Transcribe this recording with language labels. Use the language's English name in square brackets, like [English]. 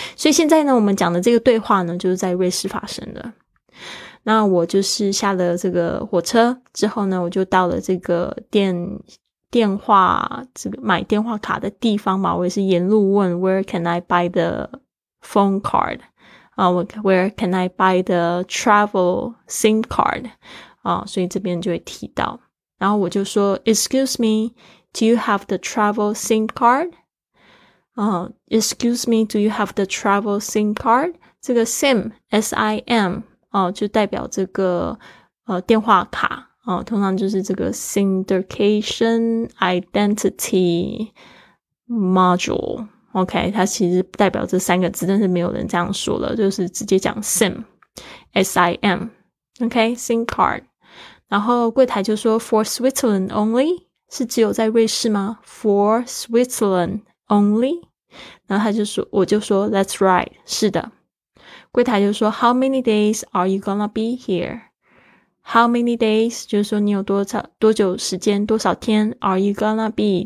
[Chinese] 所以现在呢，我们讲的这个对话呢，就是在瑞士发生的。那我就是下了这个火车之后呢，我就到了这个电话这个买电话卡的地方嘛，我也是沿路问 [English] Where can I buy the phone card？啊、，Where can I buy the travel SIM card？ [Chinese] 啊、所以这边就会提到，然后我就说 ， [English] Excuse me， do you have the travel SIM card？啊、，Excuse me， do you have the travel SIM card？ [Chinese] 这个 SIM 啊、就代表这个电话卡。哦、通常就是这个 Syndication Identity Module， OK， 它其实代表这三个字，但是没有人这样说了，就是直接讲 SIM， S-I-M， OK， SIM Card。然后柜台就说 [English] For Switzerland only， [Chinese] 是只有在瑞士吗？ [English] For Switzerland only， [Chinese] 然后他就说，我就说 [English] That's right， [Chinese] 是的。柜台就说 [English] How many days are you gonna be hereHow many days? [Chinese] 就是说你有多久时间，多少天 ? [English] Are you gonna be?